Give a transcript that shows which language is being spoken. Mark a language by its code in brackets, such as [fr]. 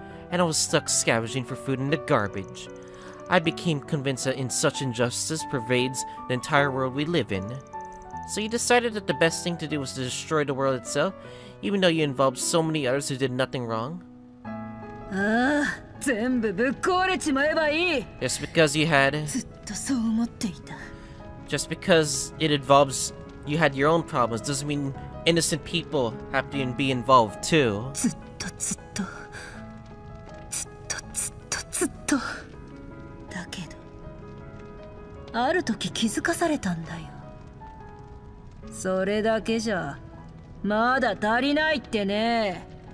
[en] And I was stuck scavenging for food in the garbage. I became convinced that in such injustice pervades the entire world we live in. So you decided that the best thing to do was to destroy the world itself, even though you involved so many others who did nothing wrong? Ah, [ja] 全部ぶっ壊れちまえばいい。 [en] Just because you had [ja] ずっとそう思っていた。 [en] Just because it involves you had your own problems doesn't mean innocent people have to be involved too. [ja] ずっとずっとずっとずっとずっとだけどある時気づかされたんだよ。それだけじゃまだ足りないってね。